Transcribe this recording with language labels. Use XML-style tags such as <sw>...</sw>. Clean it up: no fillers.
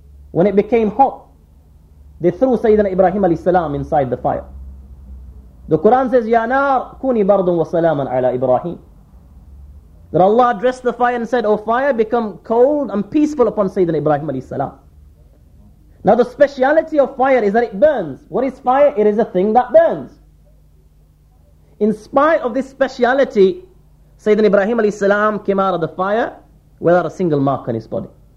<en>When it became hot, they threw Sayyidina Ibrahim alayhi salam inside the fire. The Quran says,</en> <ar>يَا نَارْ كُونِي بَرْضٌ وَسَلَامًا عَلَى إِبْرَاهِيمَ.</ar> <en>That Allah addressed the fire and said, O fire, become cold and peaceful upon Sayyidina Ibrahim alayhi salam. Now the speciality of fire is that it burns. What is fire? It is a thing that burns. In spite of this speciality, Sayyidina Ibrahim alayhi salam came out of the fire without a single mark on his body.</en>